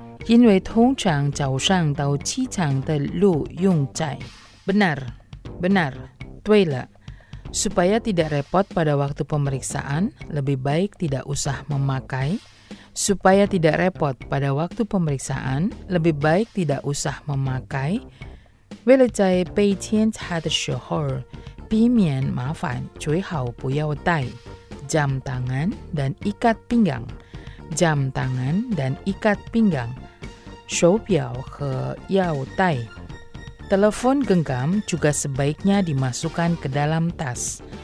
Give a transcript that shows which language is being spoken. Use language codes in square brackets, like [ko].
[zh] 因为通常早上到机场的路拥挤. [id] Benar, benar, [zh] 对了. [id] Supaya tidak repot pada waktu pemeriksaan, lebih baik tidak usah memakai. Supaya tidak repot pada waktu pemeriksaan, lebih baik tidak usah memakai. [zh] 为了在被检查的时候, 避免麻烦, 最好不要戴. [id] Jam tangan dan ikat pinggang. Jam tangan dan ikat pinggang. [zh] 手表和腰带. [id] Telepon genggam juga sebaiknya dimasukkan ke dalam tas.